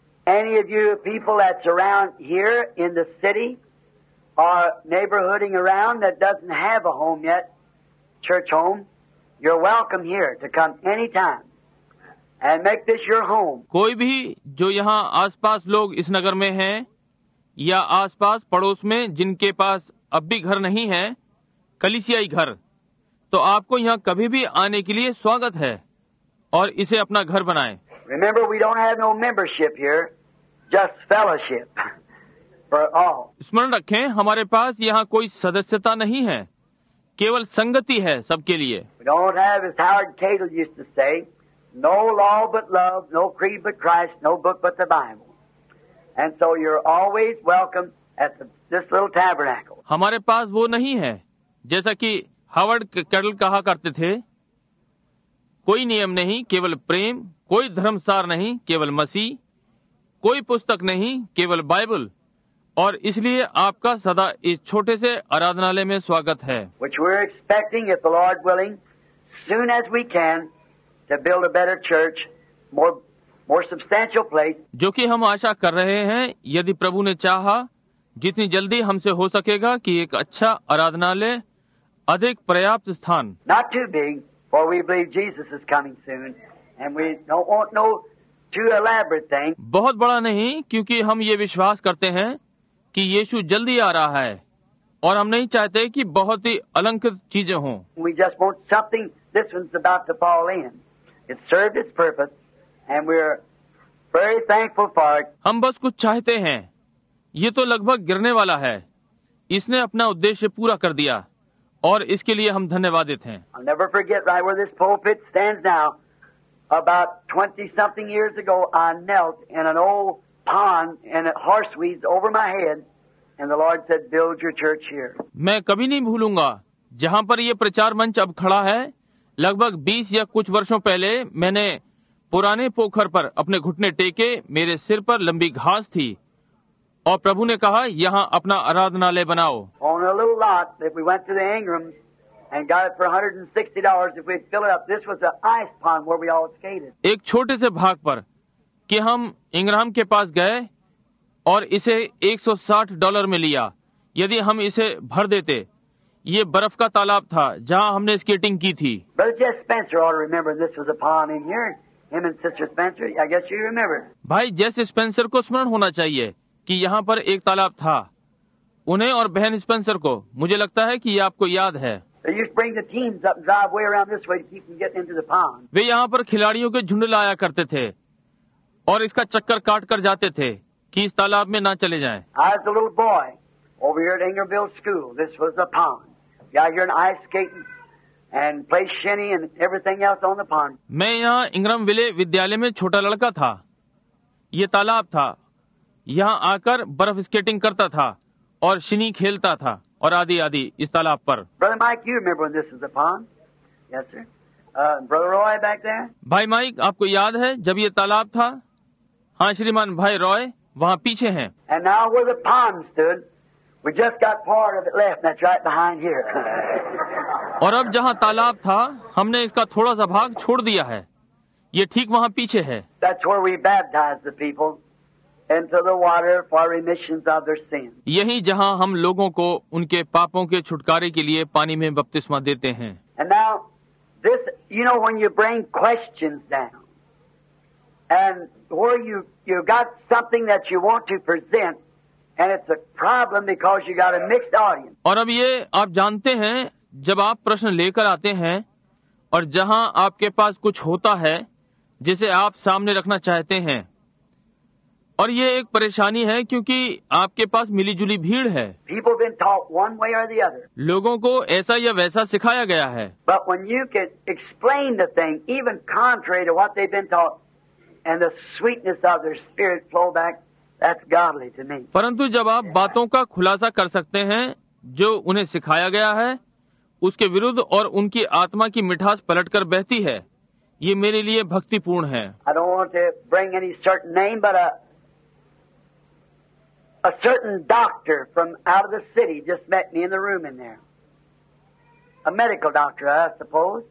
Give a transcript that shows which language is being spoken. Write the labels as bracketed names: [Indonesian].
[English] Any of you people that's around here in the city or neighborhooding around that doesn't have a home yet, church home, you're welcome here to come anytime and make this your home. [Hindi] कोई भी जो यहाँ आसपास लोग इस नगर में हैं या आसपास पड़ोस में जिनके पास अब भी घर नहीं है, कलीसियाई घर, तो आपको यहाँ कभी भी आने के लिए स्वागत है और इसे अपना घर बनाएं। [English] Remember, we don't have no membership here, just fellowship for all. [Hindi] स्मरण रखें, हमारे पास यहाँ कोई सदस्यता नहीं है, केवल संगति है सबके लिए। [English] We don't have, as Howard Cagle used to say, no law but love, no creed but Christ, no book but the Bible. And so you're always welcome at this little tabernacle. [Hindi] हमारे पास वो नहीं है, जैसा कि Howard cattle कहा करते थे, कोई नियम नहीं, केवल प्रेम, कोई धर्मसार नहीं, केवल मसीह, कोई पुस्तक नहीं, केवल बाइबल, और इसलिए आपका सदा इस छोटे से आराधनालय में स्वागत है। [English] Which we're expecting, if the Lord willing, soon as we can, to build a better church, more substantial place. [Hindi] जो कि हम आशा कर रहे हैं, यदि प्रभु ने चाहा, जितनी जल्दी हमसे हो सकेगा कि एक अच्छा आराधनालय, अधिक पर्याप्त स्थान, [English] not too big, for we believe Jesus is coming soon, and we don't want no too elaborate thing. [Hindi] बहुत बड़ा नहीं, क्योंकि हम ये विश्वास करते हैं कि यीशु जल्दी आ रहा है, और हम नहीं चाहते कि बहुत ही अलंकृत चीजें हों। [English] We just want something. This one's about to fall in. It served its purpose, and we're very thankful for it. [Hindi] हम बस कुछ चाहते हैं, ये तो लगभग गिरने वाला है, इसने अपना उद्देश्य पूरा कर दिया, और इसके लिए हम धन्यवादित हैं। [English] I'll never forget right where this pulpit stands now. About 20-something years ago, I knelt in an old pond and it horse weeds over my head, and the Lord said, "Build your church here." [Hindi] मैं कभी नहीं भूलूंगा, जहां पर ये प्रचार मंच अब खड़ा है, लगभग 20 या कुछ वर्षों पहले मैंने पुराने पोखर पर अपने घुटने टेके, मेरे सिर पर लंबी घास थी, और प्रभु ने कहा यहाँ अपना आराधनालय बनाओ। [English] On a little lot that we went to the Ingrams and got it for $160 if we'd fill it up. This was an ice pond where we all skated. [Hindi] एक छोटे से भाग पर कि हम इंग्राम के पास गए और इसे $160 में लिया, यदि हम इसे भर देते, ये बर्फ का तालाब था जहाँ हमने स्केटिंग की थी। [English] Brother Jeff Spencer ought to remember this was a pond in here. Him and Sister Spencer, I guess you remember. [Hindi] भाई जेस स्पेंसर को स्मरण होना चाहिए कि यहाँ पर एक तालाब था, उन्हें और बहन स्पेंसर को, मुझे लगता है कि ये आपको याद है। वे यहाँ पर खिलाड़ियों के झुंड लाया करते थे और इसका चक्कर काट कर जाते थे कि इस तालाब में ना चले जाएं। [English] I was a little boy over here at Ingerville School. This was a pond. Yeah, you're an ice skating and play shinny and everything else on the pond. [Hindi] मैं यहाँ इंग्राम विले विद्यालय में छोटा लड़का था, ये तालाब था, यहाँ आकर बर्फ स्केटिंग करता था और शिनी खेलता था और आदि आदि इस तालाब पर। [English] Brother Mike, you remember when this was a pond? Yes, sir. Brother Roy back there? [Hindi] भाई माइक, आपको याद है जब ये तालाब था? हाँ श्रीमान, भाई रॉय वहाँ पीछे हैं। [English] And now where the pond stood, we just got part of it left. That's right behind here. [Hindi] और अब जहाँ तालाब था, हमने इसका थोड़ा सा भाग छोड़ दिया है, ये ठीक वहाँ पीछे है। [English] That's where we baptized the people. Into the water for remissions of their sins. [Hindi] यही जहाँ हम लोगों को उनके पापों के छुटकारे के लिए पानी में बपतिस्मा देते हैं। [English] And now, this, you know, when you bring questions down, and where you've got something that you want to present, and it's a problem because you got a mixed audience. [Hindi] और अब ये आप जानते हैं, जब आप प्रश्न लेकर आते हैं, और जहाँ आपके पास कुछ होता है, जिसे आप सामने रखना चाहते हैं, और ये एक परेशानी है क्योंकि आपके पास मिलीजुली भीड़ है। [English] People been taught one way or the other. [Hindi] लोगों को ऐसा या वैसा सिखाया गया है। [English] But when you can explain the thing, even contrary to what they've been taught, and the sweetness of their spirit flow back, that's godly to me. [Hindi] परंतु जब आप बातों का खुलासा कर सकते हैं जो उन्हें सिखाया गया है, उसके विरुद्ध और उनकी आत्मा की मिठास पलटकर बहती है, ये मेरे लिए भक्तिपूर्ण है। [English] I don't want to bring any certain name, but a certain doctor from out of the city just met me in the room in there. A medical doctor, I suppose.